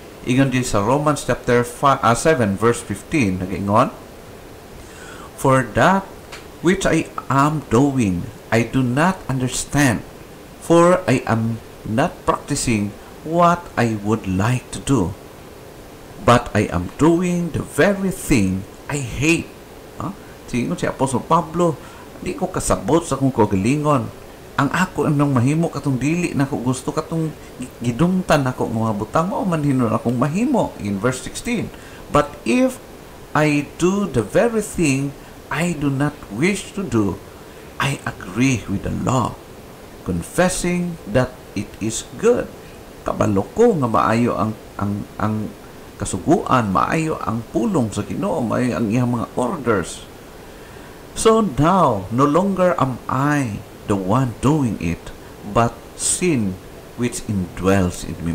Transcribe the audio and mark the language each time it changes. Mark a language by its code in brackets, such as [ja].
[ceb] Ingon din sa Romans chapter 7 verse 15, nag-ingon, [en] for that which I am doing, I do not understand, for I am not practicing what I would like to do, but I am doing the very thing I hate. [ceb] Tingon si Apostol Pablo, di ko kasabot sa kong kagalingon. Ang ako nang mahimo katong dili na ko gusto katong gidumtan ako ng mga butang o manhinon akong mahimo [en] in verse 16. But if I do the very thing I do not wish to do, I agree with the law, confessing that it is good. [ceb] Kabalo ko nga maayo ang kasuguan, maayo ang pulong sa Ginoo, maayo ang iyang mga orders. [en] So now, no longer am I the one doing it, but sin which indwells in me.